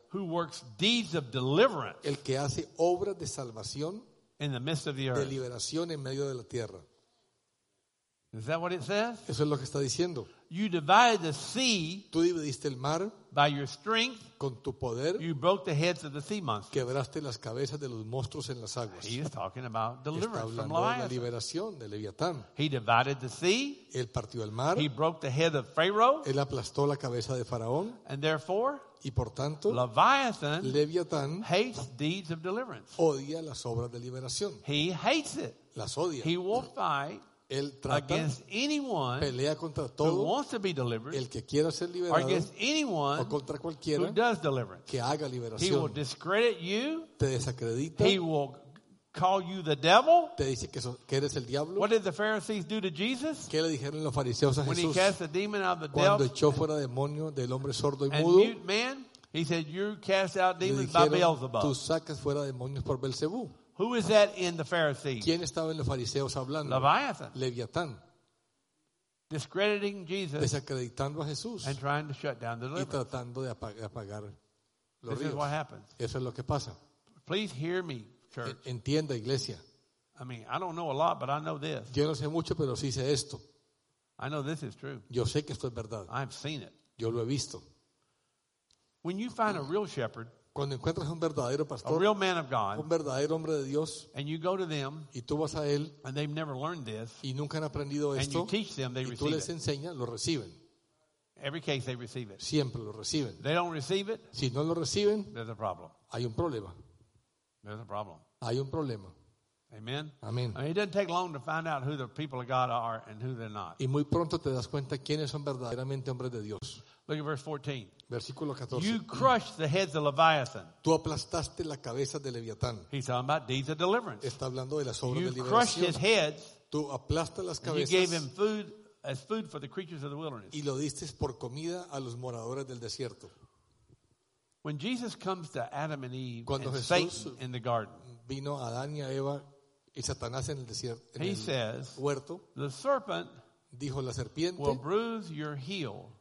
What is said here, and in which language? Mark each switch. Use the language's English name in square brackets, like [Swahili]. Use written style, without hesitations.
[English] Who works deeds of deliverance? [Spanish] El que hace obras de salvación. [English] In the midst of the earth. [Spanish] De liberación en medio de la tierra. [English] Is that what it says? [Spanish] Eso es lo que está diciendo. [English] You divided the sea. [Spanish] Tú dividiste el mar. [English] By your strength. [Spanish] Con tu poder. [English] You broke the heads of the sea monsters. [Spanish] Quebraste las cabezas de los monstruos en las aguas. [English] He is talking about deliverance from [Spanish] Leviathan. Está hablando de la liberación de Leviatán. [English] He divided the sea. [Spanish] Él partió el mar. [English] He broke the head of Pharaoh. [Spanish] Él aplastó la cabeza de Faraón. [English] And therefore. [Spanish] Y por tanto, [English] Leviathan [Spanish] Leviatán [English] hates deeds of deliverance. [Spanish] Odia las obras de liberación. [English] He hates it. [Spanish] Las odia. [English] He will fight. [Spanish] Él trata, [English] against anyone [Spanish] pelea contra todo [English] who wants to be delivered, [Spanish] el que quiera ser liberado, [English] or against anyone [Spanish] o contra cualquiera [English] who does deliverance. [Spanish] Que haga liberación. [English] He will discredit you. [Spanish] Te desacredita. [English] He will call you the devil. [Spanish] Te dice que eres el diablo. [English] What did the Pharisees do to Jesus? [Spanish] ¿Qué le dijeron los fariseos a Jesús? [English] When he cast a demon out of the [Spanish] cuando echó fuera demonio del hombre sordo y [English] and [Spanish] mudo, [English] mute man, he said, "You cast out demons by Beelzebub." [Spanish] Tú sacas fuera demonios por Belcebú. [English] Who is that in the Pharisees? [Spanish] ¿Quién estaba en los fariseos hablando? [English] Leviathan. [Spanish] Leviatán. [English] Discrediting Jesus. [Spanish] Desacreditando a Jesús. [English] And trying to shut down the deliverance. [Spanish] Y tratando de apagar los ríos. [English] This is what happens. [Spanish] Eso es lo que pasa. [English] Please hear me, church. [Spanish] Entienda, iglesia. [English] I mean, I don't know a lot, but I know this. [Spanish] Yo no sé mucho, pero sí sé esto. [English] I know this is true. [Spanish] Yo sé que esto es verdad. [English] I've seen it. [Spanish] Yo lo he visto. [English] When you find a real shepherd, [Spanish] cuando encuentras un verdadero pastor, [English] a real man of God, [Spanish] un verdadero hombre de Dios, [English] and you go to them, [Spanish] y tú vas a él, [English] and they've never learned this, [Spanish] y nunca han aprendido esto, [English] and you teach them, they [Spanish] y tú les enseñas, lo reciben. [English] Every case they receive it. [Spanish] Siempre lo reciben. [English] They don't receive it, [Spanish] si no lo reciben, [English] there's a problem. [Spanish] Hay un problema. [English] There's a problem. [Spanish] Hay un problema. [English] Amen. [Spanish] Amen. [English] I mean, it doesn't take long to find out who the people of God are and who they're not. [Spanish] Y muy pronto te das cuenta quiénes son verdaderamente hombres de Dios. [English] Look at verse 14. [Spanish] Versículo 14. [English] You crushed the heads of Leviathan. [Spanish] Tú aplastaste la cabeza de Leviatán. [English] He's talking about deeds of deliverance. [Spanish] Está hablando de las obras [English] you [Spanish] de liberación. [English] You crushed his heads. [Spanish] Tú aplastas las cabezas. [English] You gave him food as food for the creatures of the wilderness. [Spanish] Y lo diste por comida a los moradores del desierto. [English] When Jesus comes to Adam and Eve [Spanish] cuando [English] and [Spanish] Jesús [English] Satan in the garden, [Spanish] vino a Adán y a Eva y Satanás en el desierto, en [English] he [Spanish] el [English] says, [Spanish] huerto, [English] the serpent [Spanish] dijo la serpiente, [English] will bruise your heel.